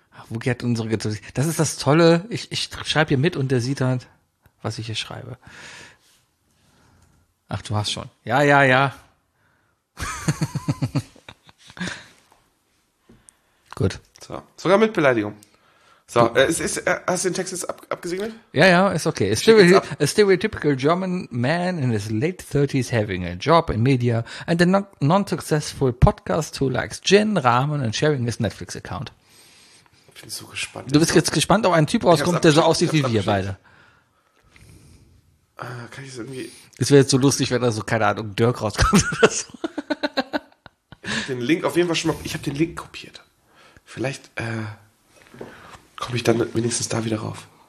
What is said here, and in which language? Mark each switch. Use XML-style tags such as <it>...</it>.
<de>Wookie hat unsere Getränke. Das ist das Tolle. Ich schreibe hier mit und der sieht halt, was ich hier schreibe. Ach, du hast schon. Ja. Gut. So, sogar mit Beleidigung. So, hast du den Text jetzt abgesegnet? Ja, ist okay.</de> <en>A stereotypical German man in his late 30s having a job in media and a non-successful podcast who likes gin, ramen and sharing his Netflix account.</en> <de>Ich bin so gespannt. Du bist jetzt gespannt, ob ein Typ rauskommt, der so aussieht wie wir beide. Kann ich das irgendwie. Es wäre jetzt so lustig, wenn da so, keine Ahnung, Dirk rauskommt oder so. Ich habe den Link kopiert. Vielleicht, komme ich dann wenigstens da wieder rauf.</de>